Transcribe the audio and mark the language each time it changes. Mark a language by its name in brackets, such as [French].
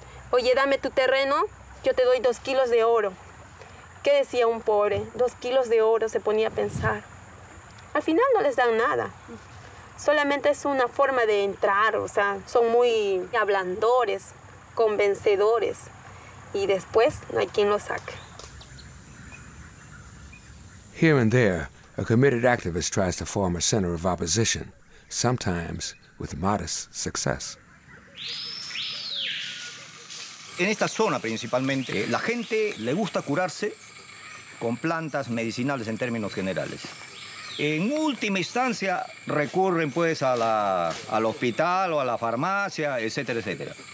[Spanish] Oye, dame tu terreno, yo te doy 2 kilos de oro. ¿Qué decía un pobre? 2 kilos de oro, se ponía a pensar. Al final no les dan nada. Solamente es una forma de entrar, o sea, son muy hablandores, convencedores, y después no hay quien lo saque. [English] Here and there, a committed activist tries to form a center of opposition, sometimes with modest success. [Spanish] En esta zona principalmente, la gente le gusta curarse con plantas medicinales en términos generales. En última instancia, recurren pues a la, al hospital o a la farmacia, etcétera, etcétera.